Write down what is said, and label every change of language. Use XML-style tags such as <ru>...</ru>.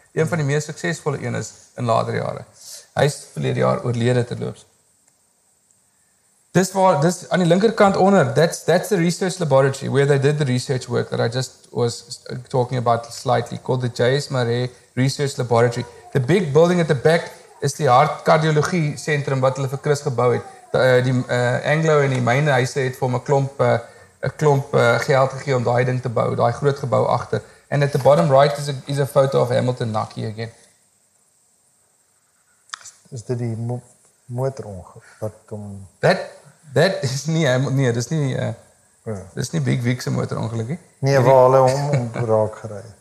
<af>Een van die meest suksesvolle een is in later jare. Hy is verlede jaar oorlede terloops. Dis aan die linkerkant onder,</af> <en>that's the research laboratory where they did the research work that I just was talking about slightly, called the J.S. Marais Research Laboratory. The big building at the back is</en> <af>die hartkardiologie sentrum wat hulle vir Chris gebou het. Die Anglo en die mynhuise het vir hom 'n klomp geld gegee om daai ding te bou, daai groot gebou agter.</af> <en>And at the bottom right is a photo of Hamilton Nucky again.</en> <af>Is dit die motorongeluk wat hom...</af> <en>That is</en> <af>nie, nee, dis nie dis nie Big Vic se motorongeluk nie. Nee, waar hulle hom raak gery.</af>